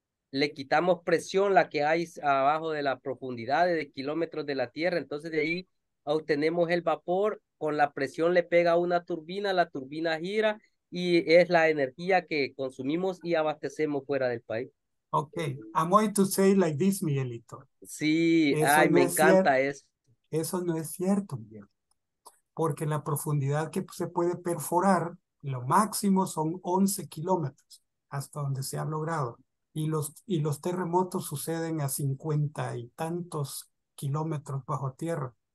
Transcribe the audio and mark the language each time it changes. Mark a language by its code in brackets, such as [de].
[es] Le quitamos presión la que hay abajo de las profundidades de kilómetros de la tierra. Entonces de ahí obtenemos el vapor, con la presión le pega una turbina, la turbina gira. Y es la energía que consumimos y abastecemos fuera del país. [en] Okay, I'm going to say like this, Miguelito. [es] Sí, me encanta eso. Eso no es cierto, Miguel. Porque la profundidad que se puede perforar, lo máximo son 11 kilómetros, hasta donde se ha logrado. Y los terremotos suceden a 50 y tantos kilómetros bajo tierra.